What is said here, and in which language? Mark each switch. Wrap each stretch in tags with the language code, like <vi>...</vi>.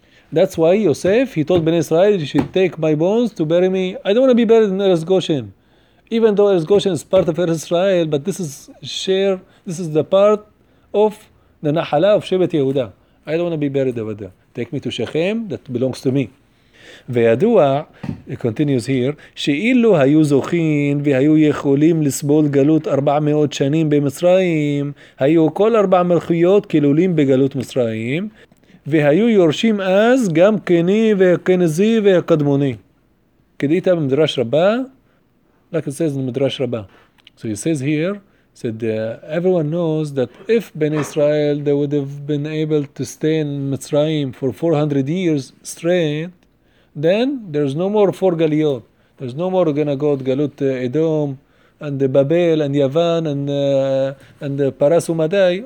<en>That's why Yosef, he told Ben Israel, you should take my bones to bury me. I don't want to be buried in Eretz Goshen. Even though Eretz Goshen is part of Eretz Israel, but this is the part of the Nahala of Shevet Yehuda. I don't want to be buried over there. Take me to Shechem, that belongs to me.</en> <he>וידוע,</he> <en>it continues here,</en> <he>שאילו היו זוכים והיו יכולים לסבול גלות 400 שנים במצרים, היו כל ארבע מלכויות כלולים בגלות מצרים, והיו יורשים אז גם כני וכנזי וקדמוני. כדאית במדרש רבה,</he> <en>like it says in מדרש רבה. So it says here, said everyone knows that if Ben Israel they would have been able to stay in Mitzrayim for 400 years straight, then there's no more four galiot. There's no more gonna go to Galut Edom and the Babel and Yavan and the Paras Umadai.</en>